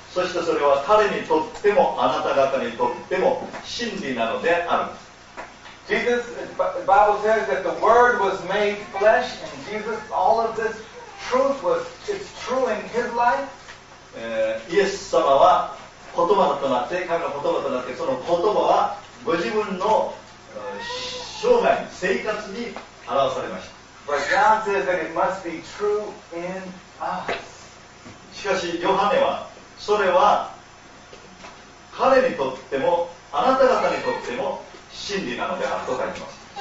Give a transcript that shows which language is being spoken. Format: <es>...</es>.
<ja>そしてそれは彼にとってもあなた方にとっても真理なのである。</ja> <en>Jesus, the Bible says that the Word was made flesh, and Jesus, all of this. Truth was, it's true in his life.</en> <ja>イエス様は言葉となって、神の言葉となって、その言葉はご自分の生涯、生活に表されました。</ja> <en>But John says that it must be true in us.</en> <ja>しかし、ヨハネは、それは彼にとっても、あなた方にとっても真理なのであると書いてます。</ja>